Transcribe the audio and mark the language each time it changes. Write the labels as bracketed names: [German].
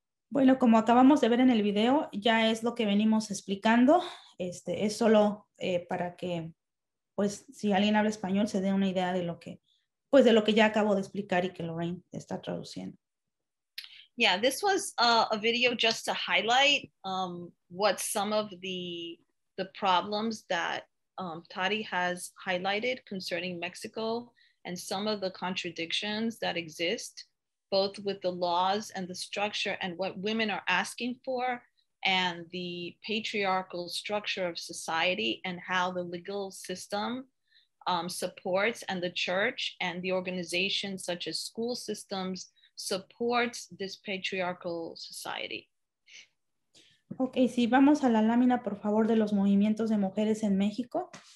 [Spanish] Bueno, como acabamos de ver en el video, ya es lo que venimos explicando. Es solo para que, pues, si alguien habla español, se dé una idea de lo que, pues, de lo que ya acabo de explicar y que Lorraine está traduciendo. [English] Yeah, this was a video just to highlight what some of the problems that Tadii has highlighted concerning Mexico and some of the contradictions that exist, both with the laws and the structure and what women are asking for and the patriarchal structure of society and how the legal system supports and the church and the organizations such as school systems supports this patriarchal society. [Spanish] Okay, si vamos a la lámina, por favor, de los movimientos de mujeres en México.